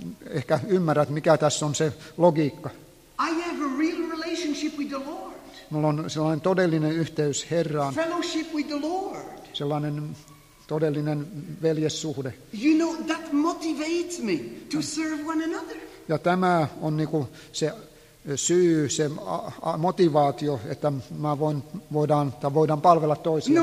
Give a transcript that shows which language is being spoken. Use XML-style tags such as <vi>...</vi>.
<fi>Ehkä ymmärrät, mikä tässä on se logiikka.</fi> <en>I have a real relationship with the Lord.</en> <fi>Mulla on sellainen todellinen yhteys Herraan.</fi> <en>Fellowship with the Lord.</en> <fi>Sellainen todellinen veljessuhde.</fi> <en>You know, that motivates me to serve one another.</en> <fi>Ja tämä on niinku se syy, se motivaatio, että mä voidaan palvella toisia.</fi>